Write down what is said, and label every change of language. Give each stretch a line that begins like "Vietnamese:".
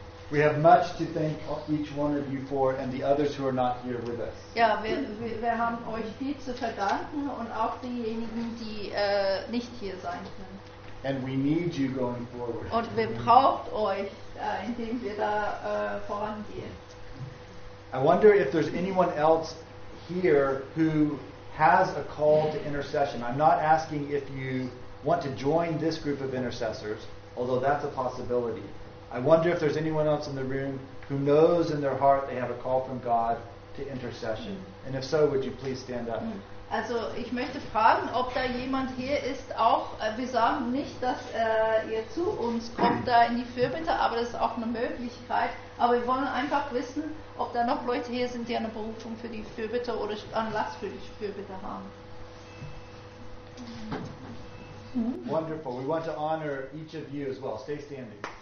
English: We have much to thank each one of you for and the others who are not here with us.
German: Ja, wir haben euch viel zu verdanken und auch diejenigen, die nicht hier sein können.
English: And we need you going forward.
German: Und wir braucht euch, indem wir da vorangehen.
English: I wonder if there's anyone else here who has a call to intercession. I'm not asking if you want to join this group of intercessors, although that's a possibility. I wonder if there's anyone else in the room who knows in their heart they have a call from God to intercession. And if so, would you please stand up?
German: Also, ich möchte fragen, ob da jemand hier ist, auch, wir sagen nicht, dass ihr zu uns kommt, da in die Fürbitte, aber das ist auch eine Möglichkeit. Aber wir wollen einfach wissen, ob da noch Leute hier sind, die eine Berufung für die Fürbitte oder Anlass für die Fürbitte haben.
English: Wonderful. We want to honor each of you as well. Stay standing.